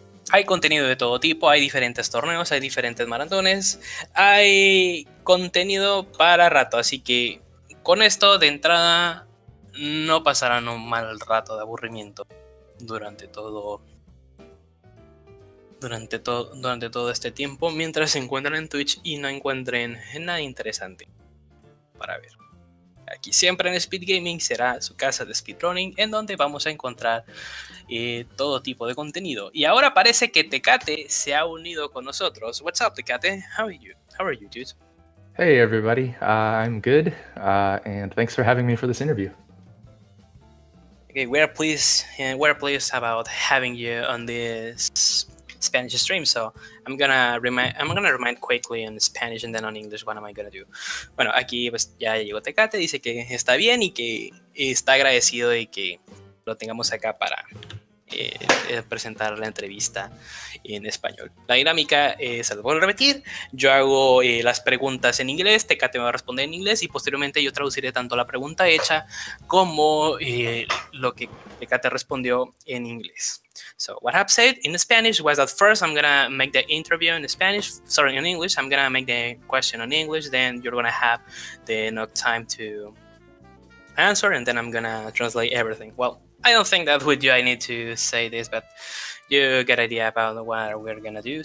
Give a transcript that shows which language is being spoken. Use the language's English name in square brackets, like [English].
[Spanish] hay contenido de todo tipo, hay diferentes torneos, hay diferentes maratones, hay contenido para rato, así que con esto de entrada no pasarán un mal rato de aburrimiento durante todo este tiempo, mientras se encuentran en Twitch y no encuentren nada interesante para ver. Aquí siempre en Speed Gaming será su casa de speedrunning, en donde vamos a encontrar todo tipo de contenido. Y ahora parece que Tecate se ha unido con nosotros. [English] What's up, Tecate? How are you? How are you, dude? Hey, everybody. I'm good. And thanks for having me for this interview. Okay, we're pleased about having you on this Spanish stream, so I'm gonna remind quickly in Spanish and then on English what am I gonna do. [Spanish] Bueno, aquí pues ya llegó Tecate, dice que está bien y que está agradecido de que lo tengamos acá para presentar la entrevista en español. La dinámica se lo voy a repetir: yo hago las preguntas en inglés, Tecate me va a responder en inglés y posteriormente yo traduciré tanto la pregunta hecha como lo que Tecate respondió en inglés. [English] So what Hap said in Spanish was that first I'm gonna make the interview in Spanish, sorry, in English. I'm gonna make the question in English, then you're gonna have the enough time to answer, and then I'm gonna translate everything. Well, I don't think that with you I need to say this, but you get an idea about what we're gonna do.